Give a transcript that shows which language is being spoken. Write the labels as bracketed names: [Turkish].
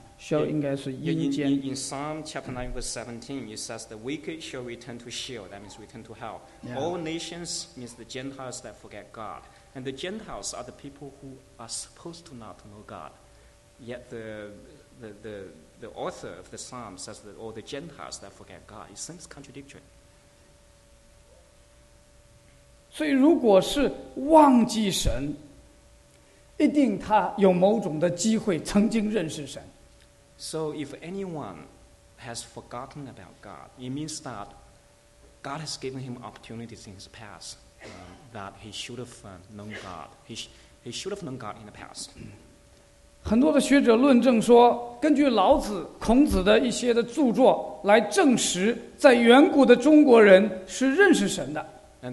[English] In Psalm chapter 9, verse 17, it says the wicked shall return to Sheol. That means return to hell. Yeah. All nations means the Gentiles that forget God. And the Gentiles are the people who are supposed to not know God. Yet the author of the psalm says that all the Gentiles that forget God, it seems contradictory. [Chinese] 所以如果是忘记神, 一定他有某种的机会曾经认识神。 [English] So if anyone has forgotten about God, it means that God has given him opportunities in his past that he should have known God. He should have known God in the past. [Chinese] 很多的学者论证说，根据老子、孔子的一些的著作来证实，在远古的中国人是认识神的。 [English] And